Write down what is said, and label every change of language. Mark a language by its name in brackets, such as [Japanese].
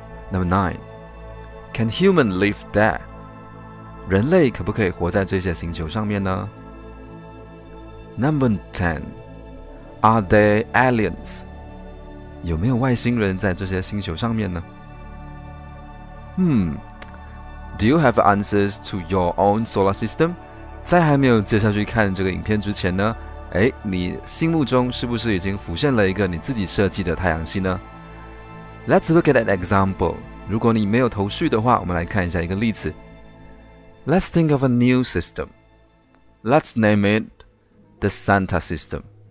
[English] Number 9. Can human live there? [Chinese] 人类可不可以活在这些星球上面呢？ [English] Number 10. Are there aliens? [Chinese] 有没有外星人在这些星球上面呢？ [English] Do you have answers to your own solar system? [Chinese] 在还没有接下去看这个影片之前呢，哎，你心目中是不是已经浮现了一个你自己设计的太阳系呢？ [English] Let's look at an example. [Chinese] 如果你没有头绪的话，我们来看一下一个例子。 [English] Let's think of a new system. Let's name it the Santa system.